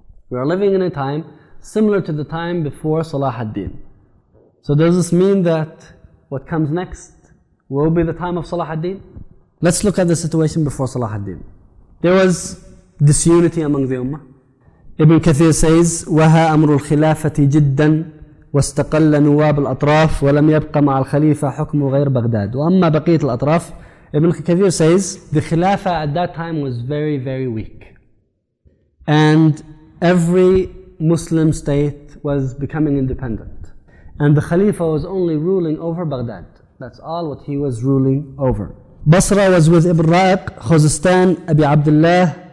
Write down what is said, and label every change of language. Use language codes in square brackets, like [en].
[en] We are living in a time similar to the time before Salah ad-Din. So does this mean that what comes next will be the time of Salah ad-Din? Let's look at the situation before Salah ad-Din. There was disunity among the ummah. Ibn Kathir says, [ar] وَهَا أَمْرُ الْخِلَافَةِ جِدًّا وَاسْتَقَلَّ نُوَابُ الْأَطْرَافِ وَلَمْ يَبْقَ مَعَ الْخَلِيفَةِ حُكْمُ غَيْرَ بَغْدَادِ وَأَمَّا بَقِيَةَ الْأَطْرَافِ. [en] Ibn Kathir says, the Khilafa at that time was very, very weak. And every Muslim state was becoming independent. And the Khalifa was only ruling over Baghdad. That's all what he was ruling over. Basra was with Ibn Ra'iq, Khuzestan, Abi Abdullah.